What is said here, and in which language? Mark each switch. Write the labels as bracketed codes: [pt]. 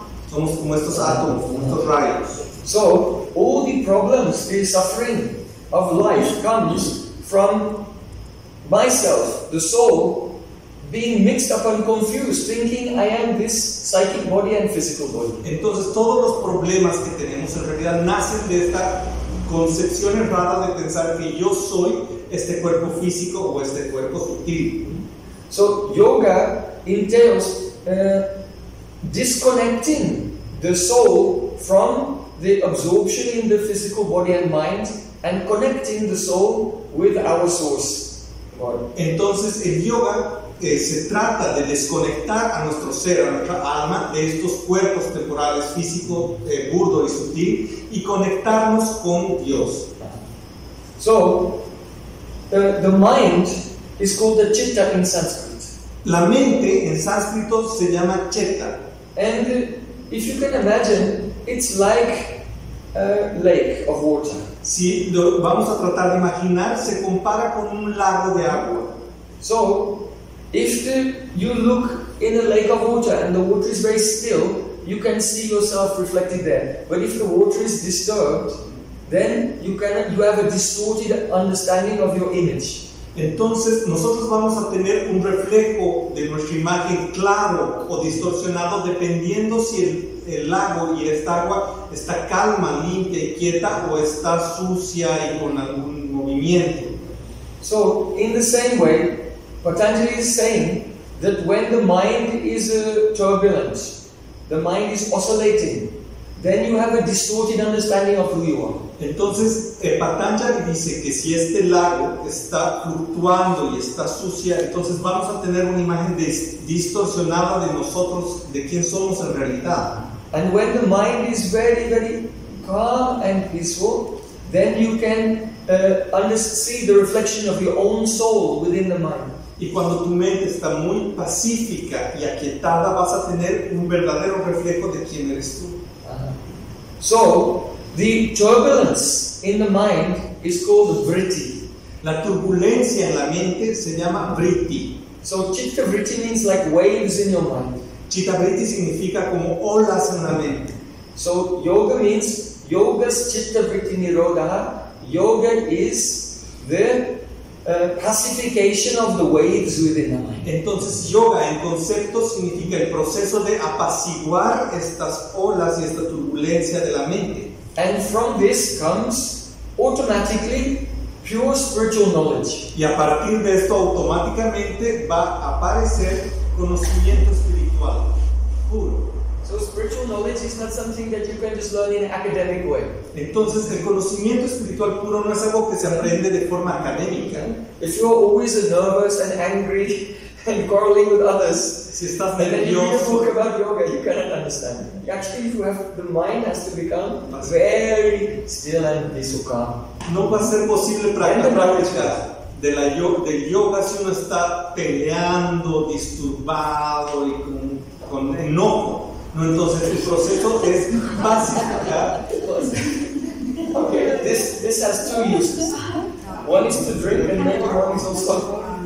[es] Somos como estos átomos, como estos rayos. [en] So, all the problems, the suffering of life comes from myself, the soul, being mixed up and confused, thinking I am this psychic body and physical body. [es] Entonces, todos los problemas que tenemos en realidad nacen de esta concepción errada de pensar que yo soy este cuerpo físico o este cuerpo sutil. [en] So, yoga entails disconnecting the soul from the absorption in the physical body and mind and connecting the soul with our source. [es] Entonces, el yoga se trata de desconectar a nuestro ser, a nuestra alma, de estos cuerpos temporales, físico, burdo y sutil, y conectarnos con Dios. [en] So, the mind is called the chitta in Sanskrit. [es] La mente en sánscrito se llama chitta. [en] And if you can imagine, it's like a lake of water. [es] Si lo vamos a tratar de imaginar, se compara con un lago de agua. [en] So, if you look in a lake of water and the water is very still, you can see yourself reflected there. But if the water is disturbed, then you have a distorted understanding of your image. [es] Entonces, nosotros vamos a tener un reflejo de nuestra imagen claro o distorsionado dependiendo si el lago y esta agua está calma, limpia y quieta o está sucia y con algún movimiento. [en] So, in the same way, Patanjali is saying that when the mind is turbulent, the mind is oscillating, then you have a distorted understanding of who you are. [es] Entonces, Patanjali dice que si este lago está fluctuando y está sucia, entonces vamos a tener una imagen distorsionada de nosotros, de quién somos en realidad. [en] And when the mind is very, very calm and peaceful, then you can see the reflection of your own soul within the mind. [es] Y cuando tu mente está muy pacífica y aquietada, vas a tener un verdadero reflejo de quién eres tú. [en] So, the turbulence in the mind is called vritti. [es] La turbulencia en la mente se llama vritti. [en] So, chitta vritti means like waves in your mind. [es] Chitta vritti significa como olas en la mente. [en] So, yoga means [sa] yogas chitta vritti nirodha. [en] Yoga is the pacification of the waves within the mind. [es] Entonces, yoga en concepto significa el proceso de apaciguar estas olas y esta turbulencia de la mente. [en] And from this comes automatically pure spiritual knowledge. [es] Y a partir de esto automáticamente va a aparecer conocimiento espiritual puro. [en] So spiritual knowledge is not something that you can just learn in an academic way. [es] Entonces, el conocimiento espiritual puro no es algo que se aprende de forma académica. [en] If you are always nervous and angry and quarreling with others, [es] si estás nervioso, [en] and then you read a book about yoga, you cannot understand. Actually, if you have the mind has to become very still and peaceful. [es] No va a ser posible practicar del yoga si uno está peleando, disturbado y con enojo. No, entonces el proceso es básico. [en] Okay, this has two uses. One is to drink and make a wrong song.